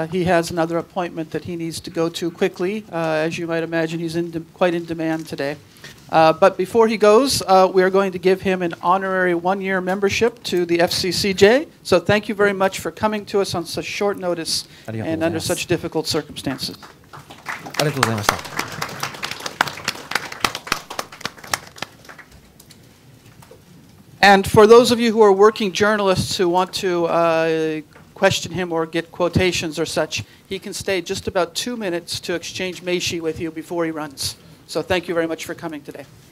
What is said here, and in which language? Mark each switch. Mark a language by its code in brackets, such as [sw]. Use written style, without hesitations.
[en] He has another appointment that he needs to go to quickly. As you might imagine, he's quite in demand today. But before he goes, we are going to give him an honorary one-year membership to the FCCJ. So thank you very much for coming to us on such short notice and under such difficult circumstances. [ja] ありがとうございました。 [en] And for those of you who are working journalists who want to question him or get quotations or such, he can stay just about 2 minutes to exchange meishi with you before he runs. So thank you very much for coming today.